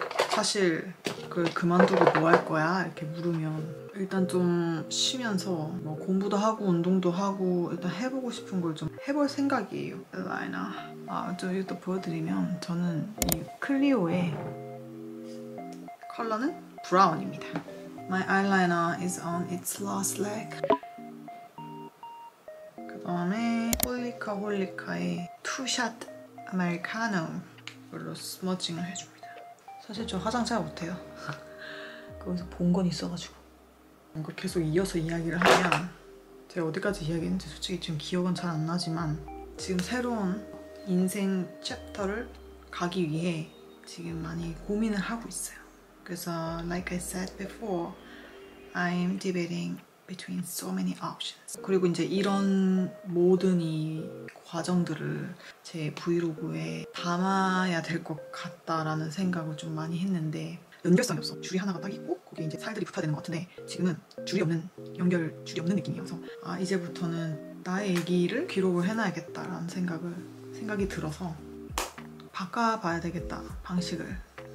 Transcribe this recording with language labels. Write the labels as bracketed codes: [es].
[ko] 사실 그걸 그만두고 뭐 할 거야? 이렇게 물으면, 일단 좀 쉬면서 뭐 공부도 하고 운동도 하고 일단 해보고 싶은 걸 좀 해볼 생각이에요. 라이나, 아, 좀 이것도 보여드리면, 저는 이 클리오의 컬러는 브라운입니다. [en] My eyeliner is on its last leg. [ko] 그 다음에 홀리카 홀리카의 투샷 아메리카노로 스머징을 해줍니다. 사실 저 화장 잘 못해요. 거기서 본 건 있어가지고. 이거 계속 이어서 이야기를 하면, 제가 어디까지 이야기했는지 솔직히 지금 기억은 잘 안 나지만, 지금 새로운 인생 챕터를 가기 위해 지금 많이 고민을 하고 있어요. 그래서 [en] like I said before, I'm debating between so many options. [ko] 그리고 이제 이런 모든 이 과정들을 제 브이로그에 담아야 될 것 같다라는 생각을 좀 많이 했는데, 연결성이 없어. 줄이 하나가 딱 있고 거기에 이제 살들이 붙어대는 것 같은데, 지금은 줄이 없는, 연결 줄이 없는 느낌이어서, 아, 이제부터는 나의 얘기를 기록을 해놔야겠다라는 생각이 들어서 바꿔봐야 되겠다, 방식을.